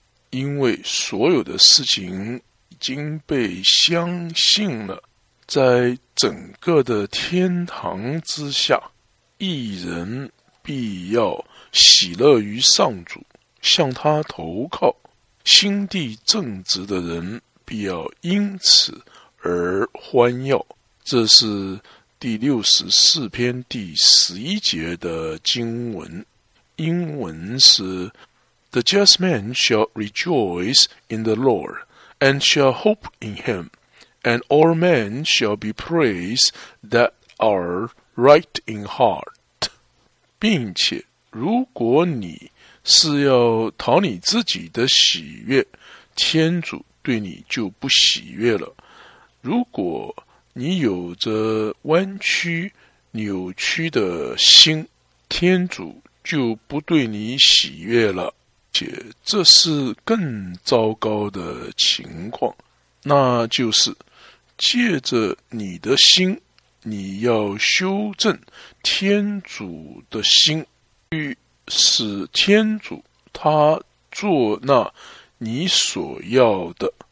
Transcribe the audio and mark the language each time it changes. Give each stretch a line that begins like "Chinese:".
Chinese: 因为所有的事情已经被相信了，在整个的天堂之下，一人必要喜乐于上主，向他投靠，心地正直的人必要因此而欢耀。这是第64篇第11节的经文，英文是
English: The just man shall rejoice in the Lord, and shall hope in him, and all men shall be praised that are right in heart.
Chinese: 并且如果你是要讨你自己的喜悦，天主对你就不喜悦了。如果你有着弯曲扭曲的心，天主就不对你喜悦了，且这是更糟糕的情况，那就是借着你的心，你要修正天主的心，去使天主他做那你所要的。